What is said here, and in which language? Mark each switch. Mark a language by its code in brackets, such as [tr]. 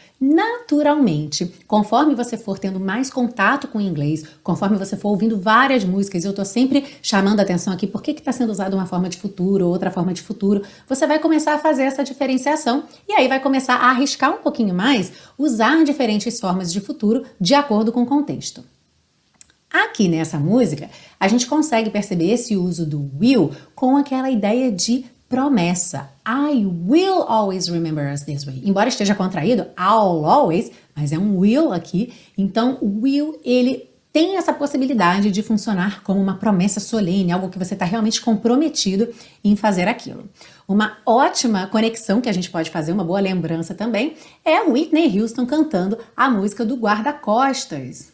[pt] Naturalmente, conforme você for tendo mais contato com o inglês, conforme você for ouvindo várias músicas, eu estou sempre chamando a atenção aqui, por que que está sendo usada uma forma de futuro ou outra forma de futuro, você vai começar a fazer essa diferenciação e aí vai começar a arriscar um pouquinho mais, usar diferentes formas de futuro de acordo com o contexto. Aqui nessa música, a gente consegue perceber esse uso do will com aquela ideia de promessa. [en] I will always remember us this way. [pt] Embora esteja contraído, [en] I'll always, [pt] mas é um will aqui. Então, o will, ele tem essa possibilidade de funcionar como uma promessa solene, algo que você está realmente comprometido em fazer aquilo. Uma ótima conexão que a gente pode fazer, uma boa lembrança também, é a Whitney Houston cantando a música do Guarda-Costas.